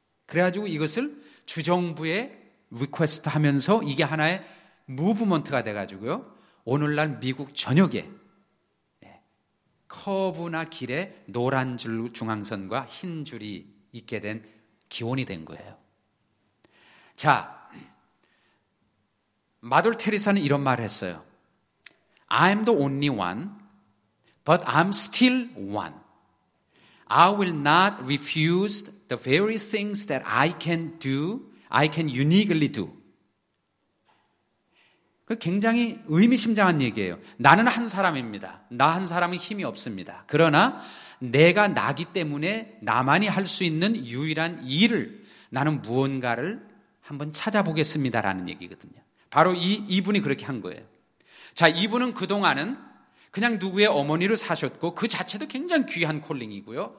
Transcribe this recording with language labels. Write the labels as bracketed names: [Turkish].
[Korean] 그래가지고 이것을 주정부에 리퀘스트 하면서 이게 하나의 무브먼트가 돼가지고요 오늘날 미국 전역에 커브나 길에 노란 줄 중앙선과 흰 줄이 있게 된 기원이 된 거예요. 자, 마돌 테리사는 이런 말을 했어요. [English] I'm the only one, but I'm still one. I will not refuse the very things that I can uniquely do. [Korean] 굉장히 의미심장한 얘기예요. 나는 한 사람입니다. 나 한 사람은 힘이 없습니다. 그러나 내가 나기 때문에 나만이 할 수 있는 유일한 일을 나는 무언가를 한번 찾아보겠습니다라는 얘기거든요. 바로 이분이 그렇게 한 거예요. 자, 이분은 그동안은 그냥 누구의 어머니로 사셨고 그 자체도 굉장히 귀한 콜링이고요.